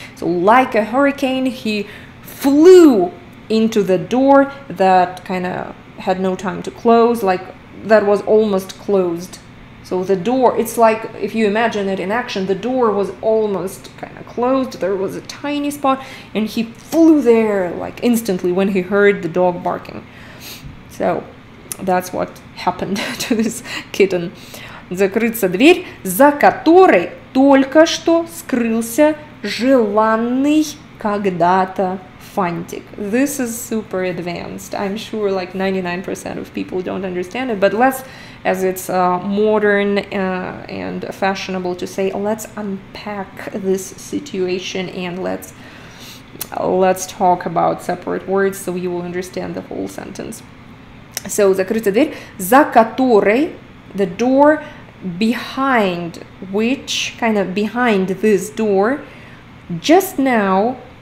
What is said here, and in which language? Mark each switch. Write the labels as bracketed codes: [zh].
[en] So like a hurricane, he flew into the door that kind of had no time to close, like that was almost closed. So the door, it's like, if you imagine it in action, the door was almost kind of closed. There was a tiny spot and he flew there like instantly when he heard the dog barking. So that's what happened to this kitten. [ru] Закрыться дверь, за которой только что скрылся желанный когда-то фантик. [en] This is super advanced. I'm sure like 99% of people don't understand it, but let's, as it's modern and fashionable to say, let's unpack this situation and let's talk about separate words so you will understand the whole sentence. [ru] So, закрыться дверь, за которой, [en] the door, behind which, kind of behind this door, just now,